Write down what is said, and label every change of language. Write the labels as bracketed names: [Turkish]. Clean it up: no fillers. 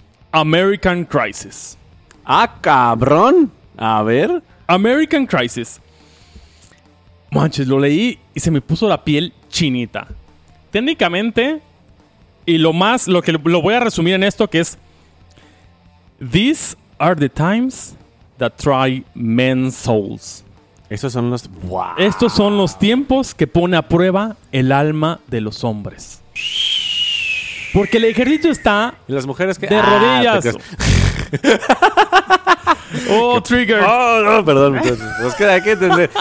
[English] American Crisis. [Spanish] ¡Ah, cabrón! A ver. American Crisis. Manches, lo leí y se me puso la piel chinita. Técnicamente, y lo voy a resumir en esto, que es... [English] These are the times that try men's souls. [Spanish] Estos son los tiempos que pone a prueba el alma de los hombres. Porque el ejército está... ¿Y las mujeres que de rodillas. [English] Oh, trigger. [Spanish] Oh, no, perdón. Es que hay que entender.